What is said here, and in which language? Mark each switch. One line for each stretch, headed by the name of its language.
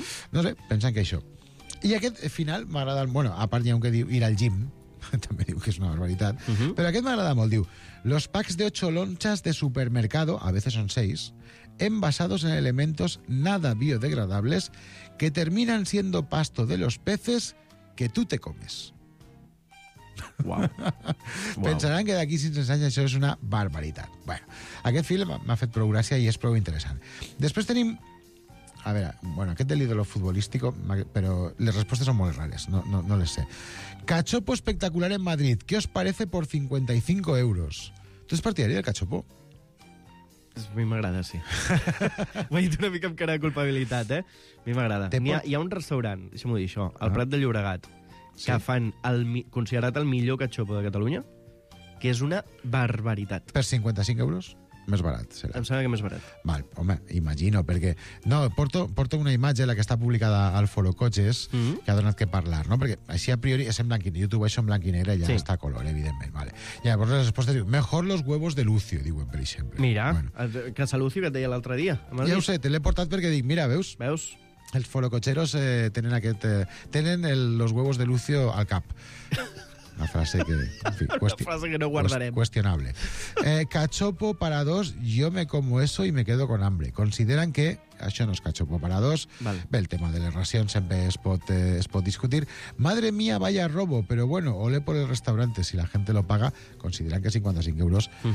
Catalan: No sé, pensen que això... I aquest final m'agrada... Bueno, a part hi ha un que diu
Spanish: ir al gym,
Catalan: també diu que és una barbaritat, però aquest m'agrada molt, diu
Spanish: los packs de 8 lonchas de supermercado, a veces son 6, envasados en elementos nada biodegradables que terminan siendo pasto de los peces que tú te comes. Wow.
Catalan: Pensaran que d'aquí 500 anys això és una barbaritat. Bueno, aquest film m'ha fet prou gràcia i és prou interessant. Després tenim... A veure, bueno, aquest del
Spanish: ídolo futbolístico,
Catalan: però les respostes són molt rares, no les sé.
Spanish: Cachopo espectacular en Madrid, ¿qué os parece por 55 euros?
Catalan: ¿Tu és partidari del cachopo? A mi m'agrada, sí. M'ha dit una mica amb cara de culpabilitat, eh? A mi m'agrada. Hi ha un restaurant, deixa'm-ho dir això, al Prat de Llobregat, que fan considerat el millor cachopo de Catalunya, que és una barbaritat. Per 55 euros? Més barat serà. Em sembla que més barat. Val, home, imagino, perquè... No, porto una imatge, la que està publicada al Foro Cotxes, que ha donat que parlar, no? Perquè així, a priori, és en blanc i negre. YouTube, això en blanc i negre, ja està a color, evidentment, vale. I llavors les respostes diuen,
Spanish: mejor los huevos de Lucio,
Catalan: diuen, per exemple. Mira, bueno. Casa Lucio, que et deia l'altre dia. Ja ho sé, te l'he portat perquè dic, mira, veus? Veus? Els forococheros tenen aquest... tenen
Spanish: los huevos de Lucio
Catalan: al cap. Una frase que, en fi, una frase que no guardarem.
Spanish: Cuestionable. Cachopo para dos, yo me como eso y me quedo con hambre.
Catalan: Consideran que això no es cachopo
Spanish: para dos.
Catalan: Vale.
Spanish: Bé, el tema de la ración siempre
Catalan: es pot discutir.
Spanish: Madre mía, vaya robo, pero bueno, ole por el restaurante, si la gente lo paga, consideran que 55 euros.